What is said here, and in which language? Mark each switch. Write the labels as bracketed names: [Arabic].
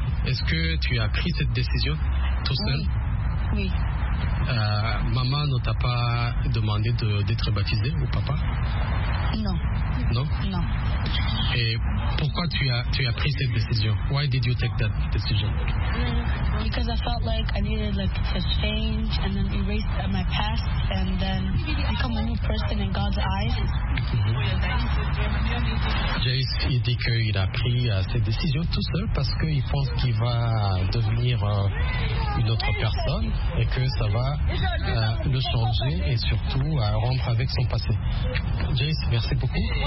[French] Est-ce que tu as pris cette décision tout seul? Oui. Maman ne t'a pas demandé d'être baptisé ou papa? Non. Non? Non. Et pourquoi tu as pris cette décision? [English] Why did you take that decision? Because I felt like I needed like to change and then erase my past and then become a new person in God's eyes. Mm-hmm. [French] Jace, il dit qu'il a pris cette décision tout seul parce qu'il pense qu'il va devenir une autre personne et que ça va le changer et surtout rompre avec son passé. Jace, merci beaucoup.